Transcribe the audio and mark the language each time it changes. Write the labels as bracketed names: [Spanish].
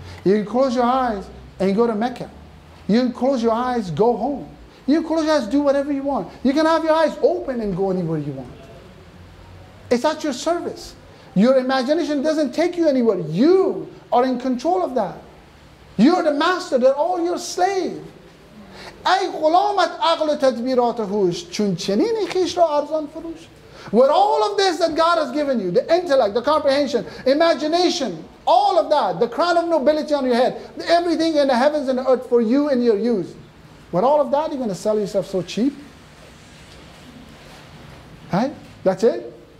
[English] You can close your eyes and go to Mecca. You can close your eyes, go home. You can close your eyes, do whatever you want. You can have your eyes open and go anywhere you want. It's at your service. Your imagination doesn't take you anywhere. You are in control of that. You're the master, they're all your slave. [Persian] ای غلامت عقل و تدبیرات هوش چون چنین خیش را ارزان فروش. [English] With all of this that God has given you, the intellect, the comprehension, imagination, all of that, the crown of nobility on your head, everything in the heavens and the earth for you and your use. With all of that, you're going to sell yourself so cheap? Right? That's it?